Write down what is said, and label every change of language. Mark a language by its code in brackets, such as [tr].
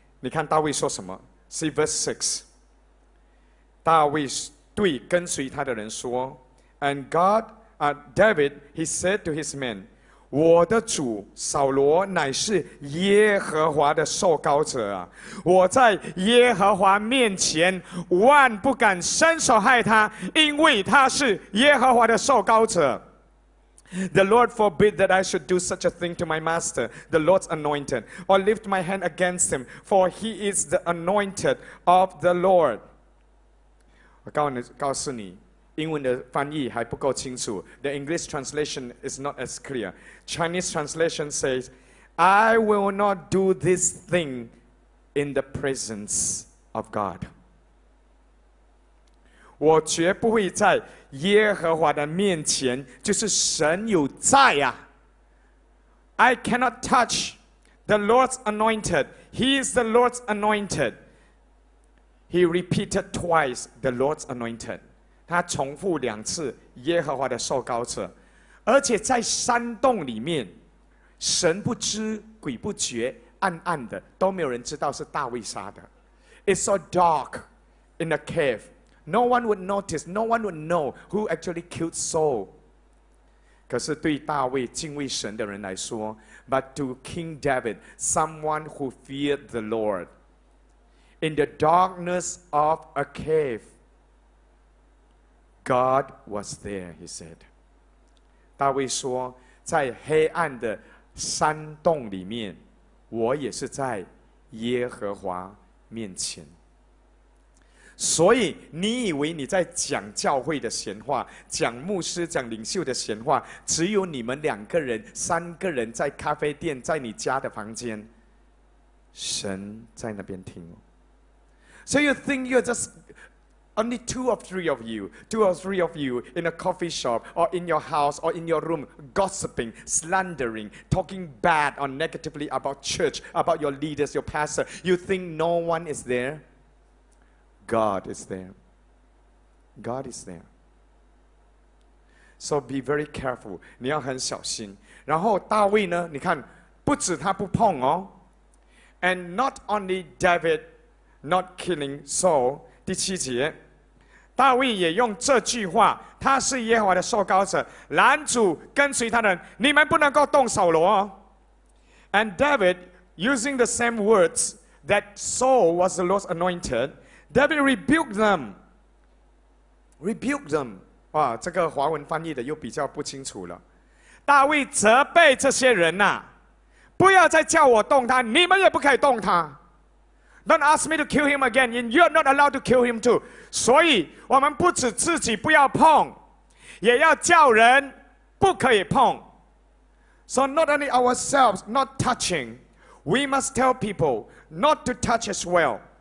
[zh] 你看大卫说什么 ？ [en] See verse six. [zh] 大卫对跟随他的人说 ， [en] And God, David, he said to his men. [zh] 我的主扫罗乃是耶和华的受膏者啊！我在耶和华面前万不敢伸手害他，因为他是耶和华的受膏者。 [en] The Lord forbid that I should do such a thing to my master, the Lord's anointed, or lift my hand against him, for he is the anointed of the Lord. [zh] 我告诉你。英文的翻译还不够清楚 ， [en] The English translation is not as clear. Chinese translation says, "I will not do this thing in the presence of God." [zh] 我绝不会在耶和华的面前，就是神有在啊。 [en] I cannot touch the Lord's anointed. He is the Lord's anointed. He repeated twice the Lord's anointed. [zh] 他重复两次耶和华的受膏者，而且在山洞里面，神不知鬼不觉，暗暗的都没有人知道是大卫杀的。 [en] It's so dark in the cave, no one would notice, no one would know who actually killed Saul. [zh] 可是对大卫敬畏神的人来说 ， [en] but to King David, someone who feared the Lord, in the darkness of a cave. God was there, he said. [zh] 大卫说，在黑暗的山洞里面，我也是在耶和华面前。所以你以为你在讲教会的闲话，讲牧师、讲领袖的闲话，只有你们两个人、三个人在咖啡店，在你家的房间，神在那边听。 [en] So you think you're just only two or three of you, two or three of you in a coffee shop or in your house or in your room, gossiping, slandering, talking bad or negatively about church, about your leaders, your pastor. You think no one is there? God is there. God is there. So be very careful. [zh] 你要很小心。然后大卫呢，你看，不止他不碰哦。 [en] And not only David not killing Saul, [zh] 第七节，大卫也用这句话，他是耶和华的受膏者，拦阻跟随他的人，你们不能够动扫罗哦。 [en] And David, using the same words that Saul was the Lord's anointed, David rebuked them. Rebuked them. [zh] 哇，这个华文翻译的又比较不清楚了。大卫责备这些人啊，不要再叫我动他，你们也不可以动他。 [en] Don't ask me to kill him again, and you're not allowed to kill him too. [zh] 所以我们不止自己不要碰，也要叫人不可以碰。 [en] So not only ourselves not touching, we must tell people not to touch as well.